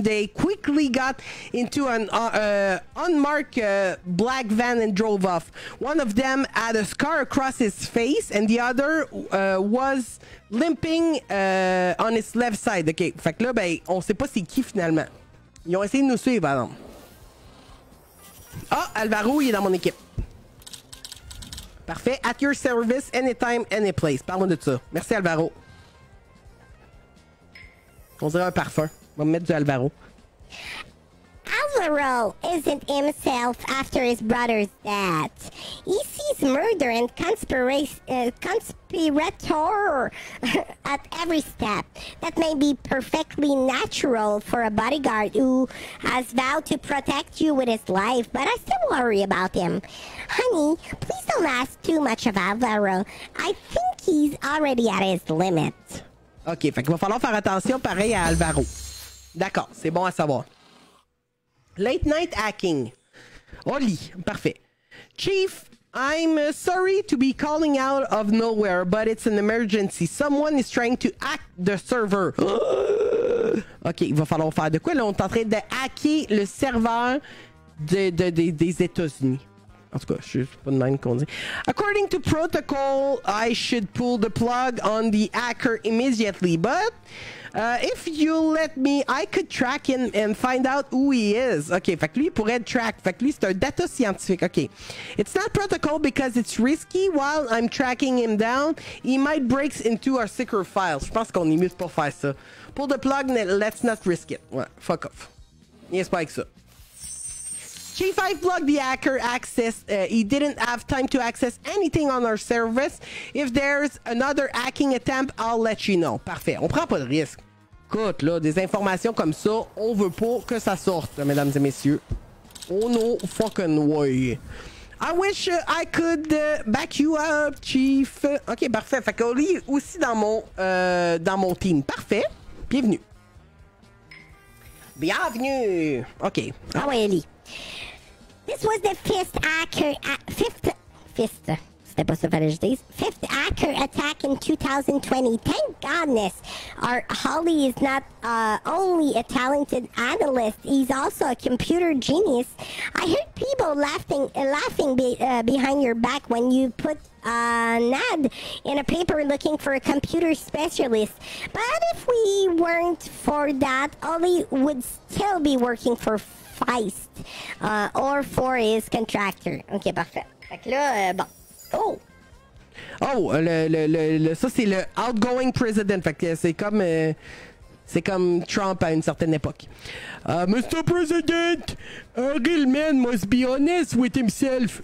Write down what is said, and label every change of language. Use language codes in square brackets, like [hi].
[en] They quickly got into an unmarked black van and drove off. One of them had a scar across his face and the other was limping on his left side. OK. [fr] Fait que là, ben, on sait pas c'est qui finalement. Ils ont essayé de nous suivre, alors. Ah, Alvaro, il est dans mon équipe. Parfait. [en] At your service, anytime, any place. [fr] Parle-moi de ça. Merci, Alvaro. On dirait un parfum. On va mettre du Alvaro. [en] Alvaro isn't himself after his brother's death. He sees murder and conspirator at every step. That may be perfectly natural for a bodyguard who has vowed to protect you with his life, but I still worry about him. Honey, please don't ask too much of Alvaro. I think he's already at his limit. [fr] OK, fait qu'il va falloir faire attention pareil à Alvaro. D'accord, c'est bon à savoir. [en] Late night hacking. [fr] Oli, parfait. [en] Chief, I'm sorry to be calling out of nowhere, but it's an emergency. Someone is trying to hack the server. [fr] OK, il va falloir faire de quoi? Là, on est en train de hacker le serveur des États-Unis. En tout cas, je suis pas de même qu'on dit. [en] According to protocol, I should pull the plug on the hacker immediately, but... if you let me, I could track him and find out who he is. [fr] OK, fait que lui, il pourrait track. Fait que lui, c'est un data scientifique. OK. [en] It's not protocol because it's risky while I'm tracking him down. He might break into our secret files. [fr] Je pense qu'on est mieux de pas faire ça. [en] Pull the plug, let's not risk it. [fr] Ouais, [en] fuck off. [fr] Il est pas avec ça. [en] Chief, I blocked the hacker access. He didn't have time to access anything on our service. If there's another hacking attempt, I'll let you know. [fr] Parfait. On prend pas de risque. Écoute, là, des informations comme ça, on veut pas que ça sorte, là, mesdames et messieurs. [en] Oh no fucking way. I wish I could back you up, Chief. [fr] OK, parfait. Fait qu'on est aussi dans mon team. Parfait. Bienvenue. Bienvenue. OK. Ah oui, [en] Ellie. This was the fifth hacker attack in 2020. Thank goodness. Our Holly is not only a talented analyst, he's also a computer genius. I heard people laughing behind your back when you put an ad in a paper looking for a computer specialist. But if we weren't for that, Holly would still be working for Feist, or for his contractor. [fr] OK, parfait. Fait que là, bon. Oh! Oh, ça, c'est le [en] outgoing president. [fr] Fait que c'est comme Trump à une certaine époque. [en] Mr. President, a real man must be honest with himself.